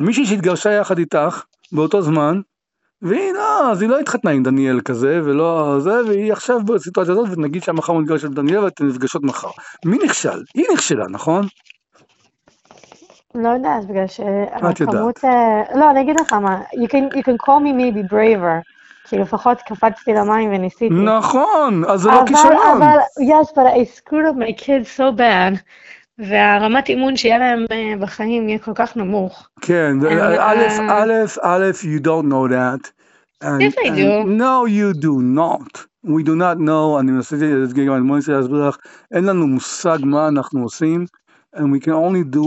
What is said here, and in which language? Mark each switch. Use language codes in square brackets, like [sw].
[he] מישהי שהתגרשה יחד איתך, באותו זמן, והיא לא, אז היא לא התחתנה עם דניאל כזה, ולא זה, והיא עכשיו בסיטואציה הזאת, ונגיד שהמחר מתגרש את דניאל, ואתן נפגשות מחר. מי נכשל? היא נכשלה, נכון? לא יודעת, בגלל שהכמות... את יודעת. לא, אני אגיד לך מה, [en] you can call me maybe braver, [he] כי לפחות קפצתי למים וניסיתי. נכון, אז זה לא כישלון. אבל, [en] yes, but I screwed up my kids so bad. [he] והרמת אימון שיהיה להם בחיים יהיה כל כך נמוך. [en] כן, א', א', א', you don't know that. And, yes, I do. No, you do not. We do not know, [he] אני מנסה להסביר את מונסי להסביר לך, אין לנו מושג מה אנחנו עושים, [en] and we can only do